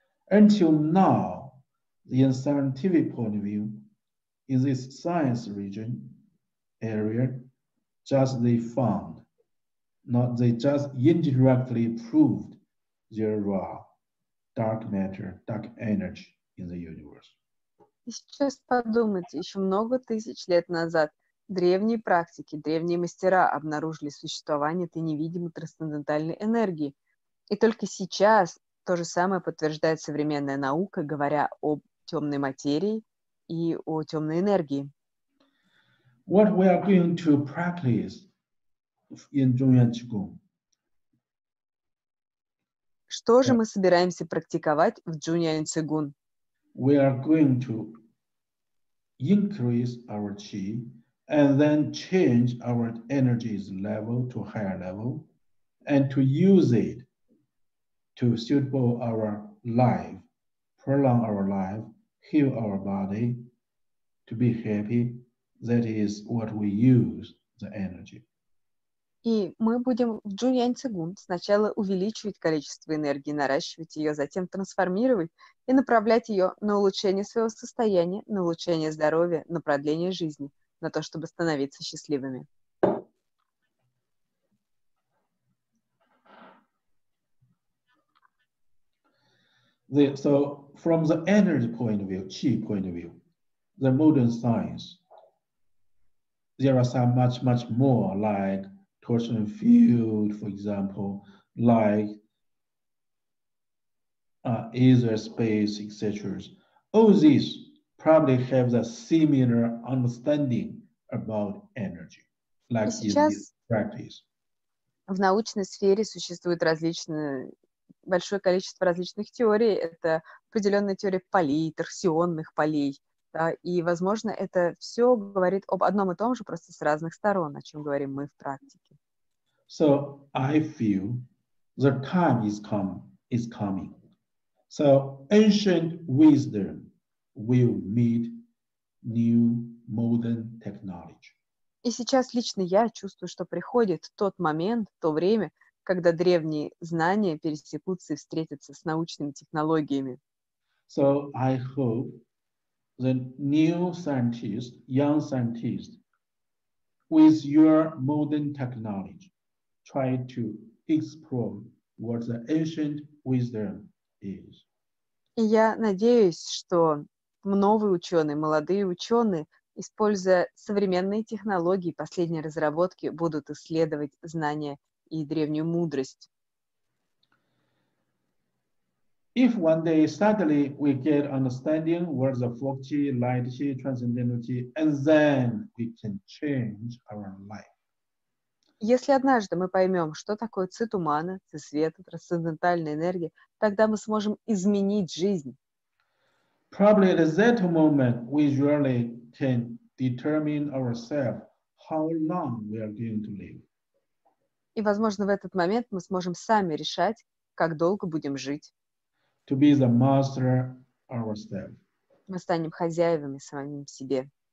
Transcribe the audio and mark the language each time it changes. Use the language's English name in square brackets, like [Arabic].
[English] Until now, in scientific point of view, in this science region, area, just they found, not they just indirectly proved there are dark matter, dark energy in the universe. [Russian] Сейчас подумайте, еще много тысяч лет назад древние практики, древние мастера обнаружили существование этой невидимой трансцендентальной энергии. И только сейчас то же самое подтверждает современная наука, говоря о темной материи и о темной энергии. [English] What we are going to practice in Zhongyuan Qigong. [Russian] Что же мы собираемся практиковать в Джуньян Цигун? [English] We are going to increase our qi and then change our energy's level to higher level and to use it to suitable our life, prolong our life, heal our body, to be happy. That is what we use the energy. [Russian] И мы будем в Джуньян Цигун сначала увеличивать количество энергии, наращивать ее, затем трансформировать и направлять ее на улучшение своего состояния, на улучшение здоровья, на продление жизни. на то, чтобы становиться счастливыми. [English] So from the energy point of view, qi point of view, the modern science, there are some much, much more like torsion field, for example, like ether space, etc. All these probably have the similar understanding about energy, like in this practice. [Russian] В научной сфере существует большое количество различных теорий. Это определенная теория полей, торсионных полей. Да, и, возможно, это все говорит об одном и том же, просто с разных сторон, о чем говорим мы в практике. [English] So I feel the time is coming. So ancient wisdom will meet new modern technology. [Russian] И сейчас лично я чувствую, что приходит тот момент, то время, когда древние знания пересекутся и встретятся с научными технологиями. [English] So I hope the new scientists, young scientists, with your modern technology, try to explore what the ancient wisdom is. [Russian] И я надеюсь, что новые ученые, молодые ученые, используя современные технологии, последние разработки, будут исследовать знания и древнюю мудрость. [English] If one day suddenly we get understanding what the fourth chi, light chi, transcendental chi, and then we can change our life. [Russian] Если однажды мы поймем, что такое ци тумана, ци света, трансцендентальная энергия, тогда мы сможем изменить жизнь. [English] Probably at that moment we really can determine ourselves how long we are going to live. [Russian] И, возможно, в этот момент мы сможем сами решать, как долго будем жить. [English] To be the master ourselves. [Russian] Мы станем хозяевами самим себе.